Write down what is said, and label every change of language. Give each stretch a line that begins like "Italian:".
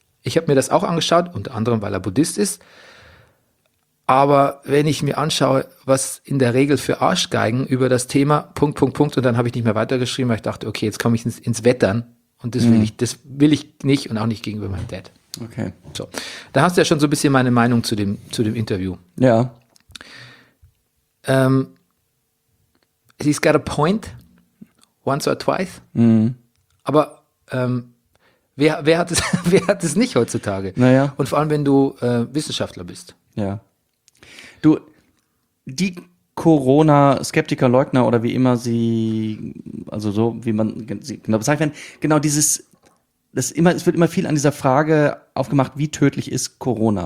German: Ich habe mir das auch angeschaut, unter anderem, weil er Buddhist ist. Aber wenn ich mir anschaue, was in der Regel für Arschgeigen über das Thema ... und dann habe ich nicht mehr weitergeschrieben, weil ich dachte, okay, jetzt komme ich ins Wettern und das will ich nicht und auch nicht gegenüber meinem Dad. Okay. So, da hast du ja schon so ein bisschen meine Meinung zu dem Interview. Ja.
English: He's got a point, once or twice.
German: Aber wer hat es nicht heutzutage? Naja. Und vor allem, wenn du Wissenschaftler bist. Ja. Du, die Corona-Skeptiker-Leugner oder wie immer sie, also so, wie man sie genau bezeichnet, wenn, genau dieses, das immer, es wird immer viel an dieser Frage aufgemacht, wie tödlich ist Corona?